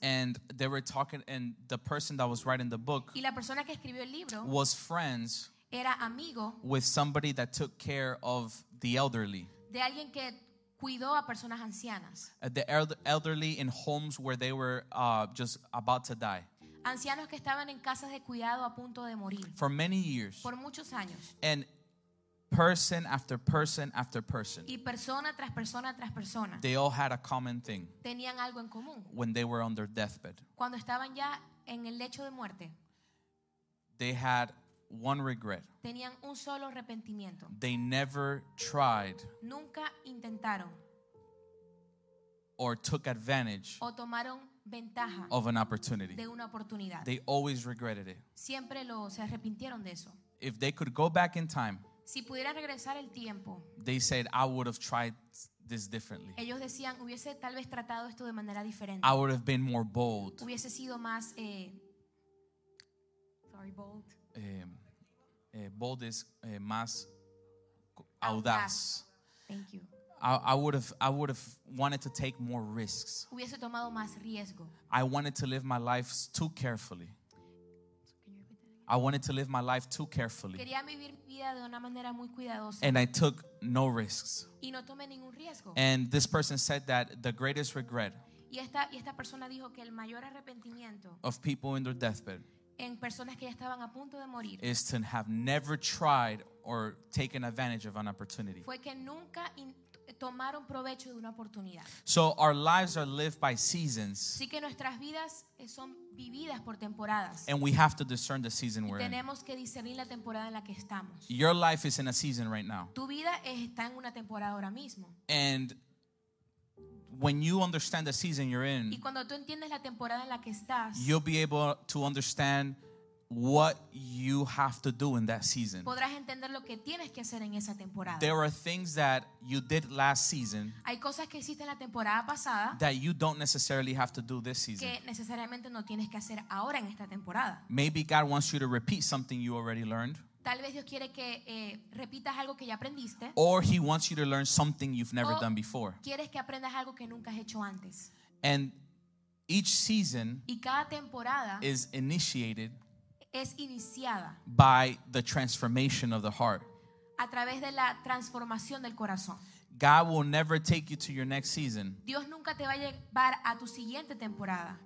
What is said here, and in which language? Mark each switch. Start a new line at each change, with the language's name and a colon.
English: and they were talking, and the person that was writing the book,
Spanish: y la persona que escribió el libro,
English: was friends,
Spanish: era amigo,
English: with somebody that took care of the elderly.
Spanish: De alguien que cuidó a personas ancianas.
English: The elderly in homes where they were just about to die.
Spanish: Ancianos que estaban en casas de cuidado a punto de morir.
English: For many years.
Spanish: Por muchos años.
English: And person after person after person.
Spanish: Y persona tras persona tras persona.
English: They all had a common thing.
Spanish: Tenían algo en común.
English: When they were on their deathbed.
Spanish: Cuando estaban ya en el lecho de muerte.
English: They had one regret.
Spanish: Tenían un solo arrepentimiento.
English: They never tried.
Spanish: Nunca intentaron.
English: Or took advantage.
Spanish: O tomaron ventaja.
English: Of an opportunity.
Spanish: De una oportunidad.
English: They always regretted it.
Spanish: Siempre lo se arrepintieron de eso.
English: If they could go back in time.
Spanish: Si pudieran regresar el tiempo.
English: They said, I would have tried this differently.
Spanish: Ellos decían, hubiese tal vez tratado esto de manera diferente.
English: I would have been more bold.
Spanish: Hubiese sido más bold.
English: Bold is
Spanish: más audaz.
English: Thank you. I would have wanted to take more risks.
Spanish: Hubiese tomado más riesgo.
English: I wanted to live my life too carefully. I wanted to live my life too carefully.
Spanish: Quería vivir mi vida de una manera muy cuidadosa.
English: And I took no risks.
Spanish: Y no tomé ningún riesgo.
English: And this person said that the greatest regret.
Spanish: Y esta persona dijo que el mayor arrepentimiento.
English: Of people in their deathbed.
Spanish: En personas que ya estaban a punto de morir,
English: is to have never tried or taken advantage of an opportunity.
Spanish: Fue que nunca tomaron provecho de una oportunidad.
English: So our lives are lived by seasons.
Spanish: Así que nuestras vidas son vividas por temporadas.
English: And we have to discern the season we're in.
Spanish: Tenemos que discernir la temporada en la que estamos.
English: Your life is in a season right now.
Spanish: Tu vida está en una temporada ahora mismo.
English: And when you understand the season you're in,
Spanish: y cuando tú entiendes la temporada en la que estás,
English: you'll be able to understand what you have to do in that season.
Spanish: Podrás entender lo que tienes que hacer en esa temporada.
English: There are things that you did last season,
Spanish: hay cosas que hiciste la temporada pasada,
English: that you don't necessarily have to do this season,
Spanish: que necesariamente no tienes que hacer ahora en esta temporada.
English: Maybe God wants you to repeat something you already learned.
Spanish: Tal vez Dios quiere que repitas algo que ya aprendiste.
English: Or he wants you to learn something you've never done before.
Spanish: O quieres que aprendas algo que nunca has hecho antes.
English: And each season,
Spanish: y cada temporada,
English: is initiated,
Spanish: es iniciada,
English: by the transformation of the heart.
Spanish: A través de la transformación del corazón.
English: God will never take you to your next season.
Spanish: Dios nunca te va a llevar a tu siguiente temporada.